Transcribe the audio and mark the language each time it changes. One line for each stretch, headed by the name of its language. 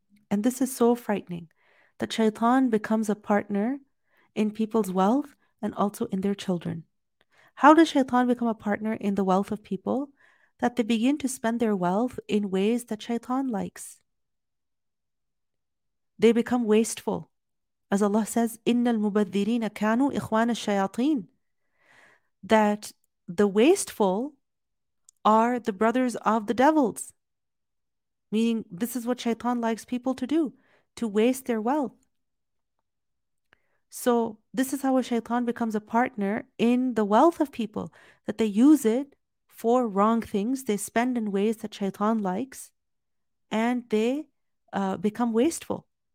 English: And this is so frightening, that Shaitan becomes a partner in people's wealth and also in their children. How does Shaitan become a partner in the wealth of people? That they begin to spend their wealth in ways that Shaitan likes. They become wasteful. As Allah says,
Arabic: إِنَّ الْمُبَذِّرِينَ كَانُوا إِخْوَانَ الشَّيَاطِينَ.
English: That the wasteful are the brothers of the devils. Meaning this is what Shaitan likes people to do, to waste their wealth. So this is how a Shaitan becomes a partner in the wealth of people, that they use it for wrong things, they spend in ways that Shaitan likes, and they become wasteful.